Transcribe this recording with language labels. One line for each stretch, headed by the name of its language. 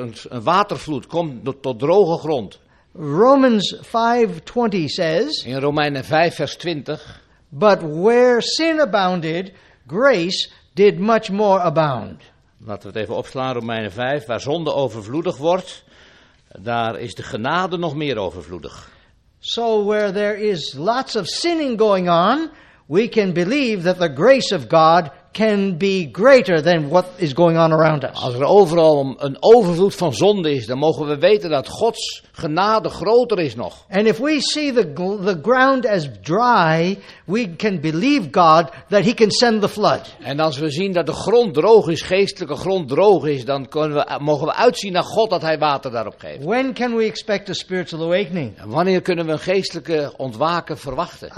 Dutch: Een watervloed komt tot droge grond.
English: Romans 5:20 says.
Dutch: In Romeinen 5 vers 20.
English: But where sin abounded, grace did much more abound.
Dutch: Laten we het even opslaan, Romeinen 5. Waar zonde overvloedig wordt, daar is de genade nog meer overvloedig.
English: So where there is lots of sinning going on, we can believe that the grace of God can be greater than what is going on around us.
Dutch: Als er overal een overvloed van zonde is, dan mogen we weten dat Gods genade groter is nog.
English: And if we see the ground as dry, we can believe God that He can send the flood.
Dutch: En als we zien dat de grond droog is, geestelijke grond droog is, dan mogen we uitzien naar God dat Hij water daarop geeft.
English: When can we expect a spiritual awakening?
Dutch: En wanneer kunnen we een geestelijke ontwaken verwachten?